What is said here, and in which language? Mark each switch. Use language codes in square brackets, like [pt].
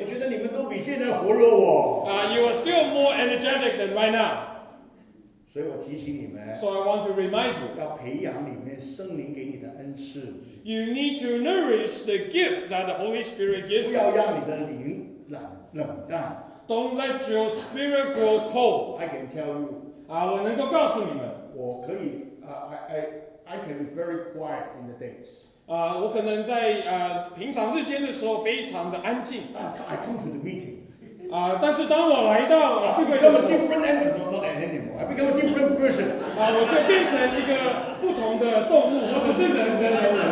[zh] 我觉得你们都比现在活络哦。 [en] You are still more energetic than right now。 [zh] 所以我提醒你们 [en] ，so I want to remind you， [zh] 要培养里面圣灵给你的恩赐。 [en] You need to nourish the gift that the Holy Spirit gives you。 [zh] 不要让你的灵冷淡。 [en] Don't let your spirit grow cold。 I can tell you。 [zh] 我能够告诉你们我可以, [en] I can be very quiet in the days. [zh] 我可能在 平常日间的时候非常的安静 [en] I come to the meeting. [zh] 但是当我来到 [en] I become a different person. [zh] 我就变成一个不同的动物